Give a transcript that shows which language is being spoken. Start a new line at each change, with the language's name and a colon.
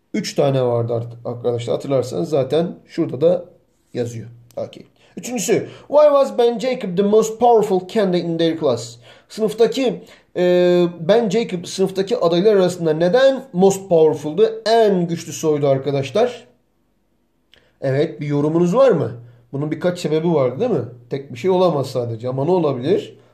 Turkish: 3 tane vardı arkadaşlar hatırlarsanız zaten şurada da yazıyor. Okay. Üçüncüsü.
English: Why was Ben Jacob the most powerful candidate in their class?
Turkish: Sınıftaki Ben Jacob sınıftaki adaylar arasında neden most powerful'du? En güçlü soydu arkadaşlar. Evet, bir yorumunuz var mı? Bunun birkaç sebebi vardı, değil mi? Tek bir şey olamaz sadece ama ne olabilir?